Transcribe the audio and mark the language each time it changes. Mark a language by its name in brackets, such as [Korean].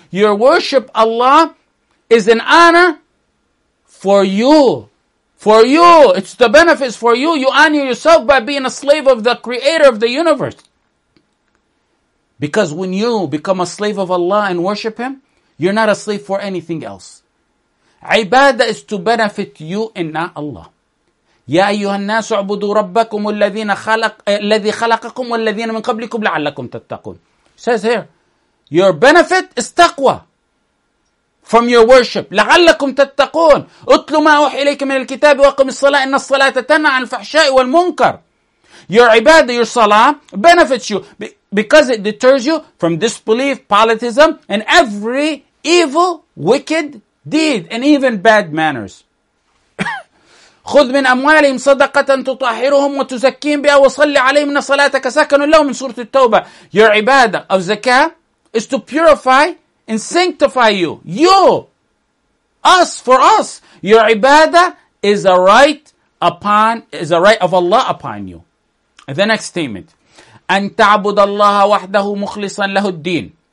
[English] Your worship, Allah, is an honor for you. For you. It's the benefits for you. You honor yourself by being a slave of the Creator of the universe. Because when you become a slave of Allah and worship Him, you're not a slave for anything else. Ibadah is to benefit you and not Allah. [Arabic] يا أيها الناس اعبدوا ربكم الذين خلق الذي خلقكم والذين من قبلكم لعلكم تتقون. [English] Says here, your benefit is taqwa from your worship. [Arabic] لعلكم تتقون. اتلوا ما أوحى إليك من الكتاب وأقم الصلاة إن الصلاة تنهى عن الفحشاء والمنكر. [English] Your ibadah, your salah, benefits you because it deters you from disbelief, polytheism, and every evil, wicked deed, and even bad manners. [Arabic] خذ من أموالهم صدقة تطهرهم وتزكيهم بها وصلي عليهم إن صلاتك سكن لهم من سورة التوبة. [English] Your عبادة of zakah is to purify and sanctify you. You. Us. For us. Your عبادة is a right of Allah upon you. And the next statement. [Arabic] أن تعبد الله وحده مخلصا له الدين.